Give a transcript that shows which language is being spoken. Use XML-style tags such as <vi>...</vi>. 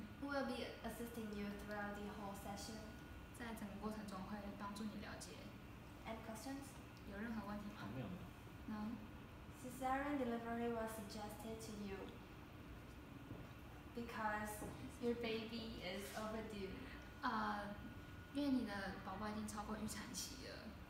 <en>Who will be assisting you throughout the whole session?</en> <zh>在整个过程中会帮助你了解。</zh> <en>Any questions?</en> <zh>有任何问题吗？没有。</zh> <en>No. Cesarean delivery was suggested to you because your baby is overdue.</en> <zh>因为你的宝宝已经超过预产期了。</zh>